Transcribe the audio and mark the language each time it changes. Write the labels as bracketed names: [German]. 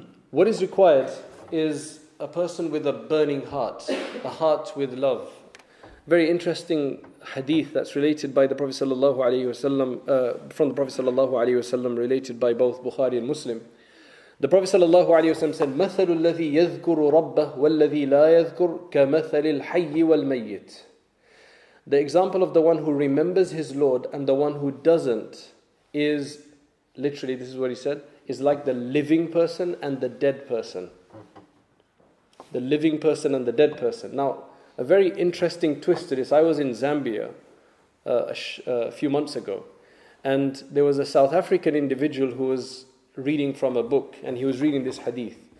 [English] What is required is a person with a burning heart, a heart with love. Very interesting hadith that's related by the Prophet sallallahu alaihi wasallam, from the Prophet sallallahu alaihi wasallam, related by both Bukhari and Muslim. [Arabic] The Prophet sallallahu alaihi wasallam said, "مَثَلُ الَّذِي يَذْكُرُ رَبَّهُ وَالَّذِي لَا يَذْكُرُ كَمَثَلِ الْحَيِّ وَالْمَيِّتِ." [English] The example of the one who remembers his Lord and the one who doesn't is, literally this is what he said, is like the living person and the dead person. the living person and the dead person. Now, a very interesting twist to this. I was in Zambia a few months ago, and there was a South African individual who was reading from a book, and he was reading this hadith.